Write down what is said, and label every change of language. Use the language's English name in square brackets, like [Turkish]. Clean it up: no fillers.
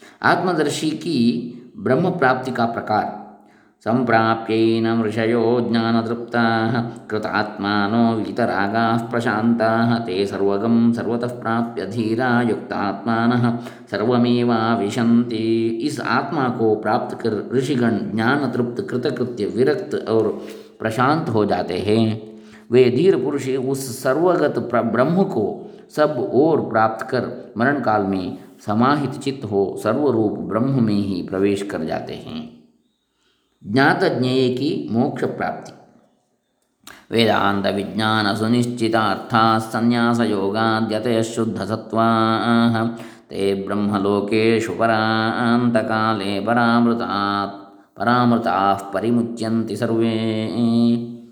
[Hindi] आत्मदर्शी की ब्रह्म प्राप्ति का प्रकार। [Sanskrit] संप्राप्येन ऋषयो ज्ञानतृप्ताः कृतात्मानो वीतरागाः प्रशान्ताः ते सर्वगं सर्वतः प्राप्य धीरा युक्तात्मानः सर्वमेवाविशन्ति। [Hindi] इस आत्मा को प्राप्त कर ऋषिगण ज्ञानतृप्त कृतकृत्य विरक्त और प्रशांत हो जाते हैं। वे धीर पुरुष उस सर्वगत ब्रह्म को सब ओर प्राप्त कर मरण काल में समाहित चित्त हो सर्वरूप ब्रह्म में ही प्रवेश कर जाते हैं। ज्ञात ज्ञेय की मोक्ष प्राप्ति। [Sanskrit] वेदांत विज्ञान सुनिश्चितार्थाः संन्यास योगाद्यतयः शुद्ध सत्त्वाः ते ब्रह्म लोकेषु परान्तकाले परामृताः परिमुच्यन्ति सर्वे।